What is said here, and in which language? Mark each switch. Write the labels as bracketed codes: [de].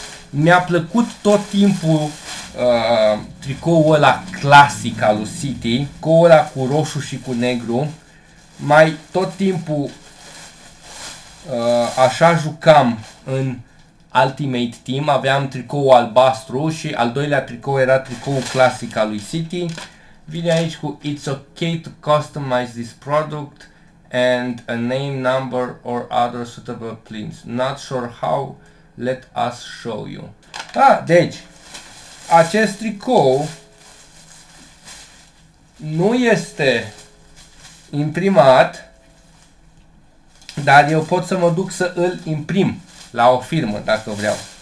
[ro] Mi-a plăcut tot timpul tricoul ăla clasic al lui City, tricoul ăla cu roșu și cu negru, mai tot timpul așa jucam în Ultimate Team, aveam tricou albastru și al doilea tricou era tricou clasic al lui City. Vine aici cu [en] It's okay to customize this product and a name, number or other suitable prints. Not sure how, let us show you. [ro] Ah, deci, acest tricou nu este imprimat, dar eu pot să mă duc să îl imprim la o firmă, dacă vreau.